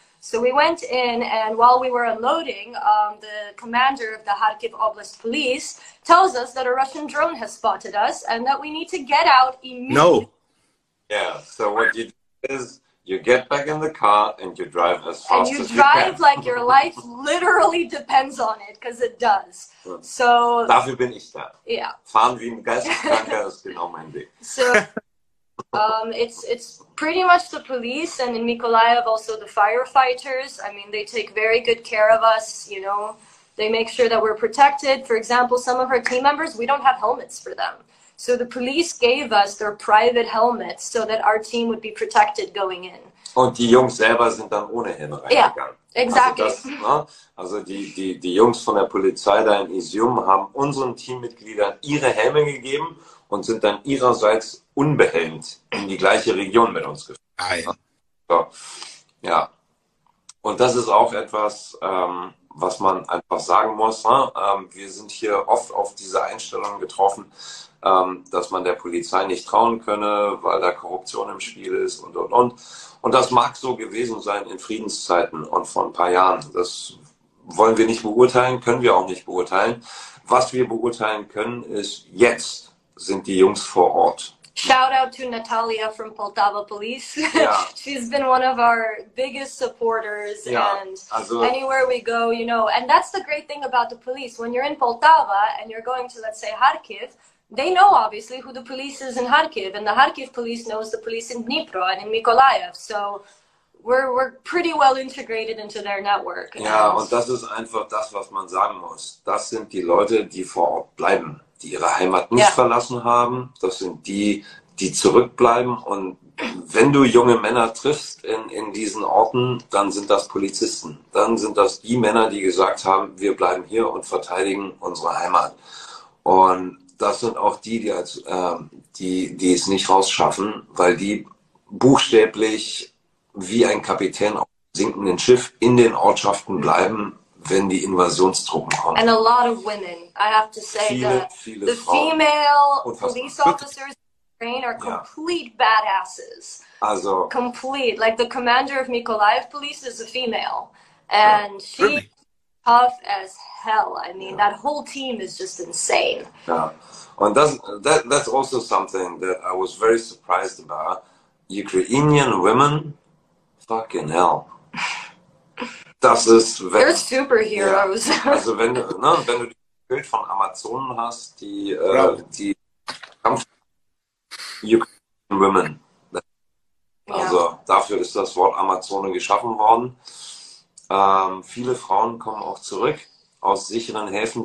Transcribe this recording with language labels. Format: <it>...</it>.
<en>So we went in, and while we were unloading, the commander of the Kharkiv Oblast Police tells us that a Russian drone has spotted us and that we need to get out immediately. No. Yeah. So what you do is you get back in the car and you drive as fast as you can. And you drive like your life literally depends on it, because it does. So</en> <de>dafür bin ich da.</de> <en>Yeah.</en> <de>Fahren wie ein Geisteskranker ist genau mein Weg.</de> <en>So it's pretty much the police, and in Mykolaiv also the firefighters. I mean, they take very good care of us, you know. They make sure that we're protected. For example, some of our team members, we don't have helmets for them. So the police gave us their private helmets so that our team would be protected going in.</en> <de>Und die Jungs selber sind dann ohne Helm reingegangen.</de> <en>Yeah, exactly.</en> <de>Also die Jungs von der Polizei da in Izium haben unseren Teammitgliedern ihre Helme gegeben und sind dann ihrerseits unbehelmt in die gleiche Region mit uns gefahren. Ah, ja. So. Ja. Und das ist auch etwas, was man einfach sagen muss. Ne? Wir sind hier oft auf diese Einstellung getroffen, dass man der Polizei nicht trauen könne, weil da Korruption im Spiel ist und, und. Und das mag so gewesen sein in Friedenszeiten und vor ein paar Jahren. Das wollen wir nicht beurteilen, können wir auch nicht beurteilen. Was wir beurteilen können, ist, jetzt sind die Jungs vor Ort.</de> <en>Shout out to Natalia from Poltava Police. Yeah. She's been one of our biggest supporters. Yeah. And anywhere we go, you know. And that's the great thing about the police. When you're in Poltava and you're going to, let's say, Kharkiv, they know, obviously, who the police is in Kharkiv. And the Kharkiv police knows the police in Dnipro and in Mykolaiv. So we're pretty well integrated into their network. Yeah, and that is</en> <de>einfach das, was man sagen muss. Das sind die Leute, die vor Ort bleiben, die ihre Heimat nicht verlassen haben. Das sind die, die zurückbleiben. Und wenn du junge Männer triffst in diesen Orten, dann sind das Polizisten. Dann sind das die Männer, die gesagt haben, wir bleiben hier und verteidigen unsere Heimat. Und das sind auch die, die, als, die es nicht rausschaffen, weil die buchstäblich wie ein Kapitän auf dem sinkenden Schiff in den Ortschaften bleiben, wenn die Invasionstruppen kommen.</de> <en>And a lot of women, I have to say,</en> <de>viele</de> <en>the female police officers in Ukraine are complete badasses.</en> <de>Also</de> <en>complete, like the commander of Mykolaiv police is a female, and she tough as hell. I mean, that whole team is just insane. Yeah, and that's also something that I was very surprised about. Ukrainian women, fucking hell.</en> <de>Das ist, wenn,</de> <en>they're superheroes.</en> <de>Ja, also wenn du, ne, wenn du die Bild von Amazonen hast, die, die Kampf</de> <en>Ukrainian Women.</en> <de>Also dafür ist das Wort Amazone geschaffen worden. Viele Frauen kommen auch zurück aus sicheren Häfen.</de>